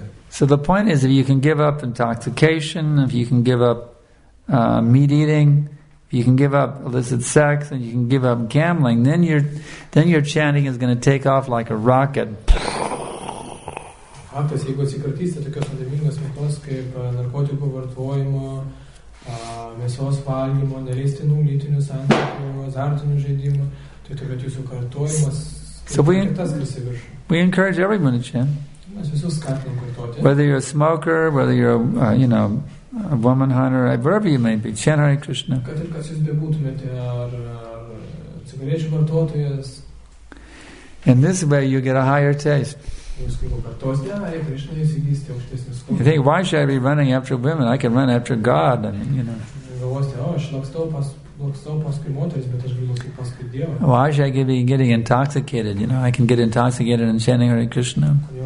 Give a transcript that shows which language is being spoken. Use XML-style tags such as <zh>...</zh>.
<en>So the point is, if you can give up intoxication, if you can give up meat eating, if you can give up illicit sex, and you can give up gambling, then your chanting is going to take off like a rocket.</en> <lt>Faktas, jeigu atsikratysite tokios nuodėmingos veiklos kaip narkotikų vartojimo, mėsos valgymo, neleistinų lytinių santykių, azartinių žaidimų, tai tokio jūsų kartojimas kitas grįsi virš.</lt> <en>We encourage everyone to chant.</en> <lt>Mes visus skatinam kartoti.</lt> <en>Whether you're a smoker, whether you're a woman hunter, wherever you may be, chant Hare Krishna.</en> <lt>Kad ir kas jūs bebūtumėte, ar cigarečių vartotojas.</lt> <en>In this way you get a higher taste. You think, why should I be running after women? I can run after God. I mean, why should I be getting intoxicated? You know, I can get intoxicated in chanting Hare Krishna.</en>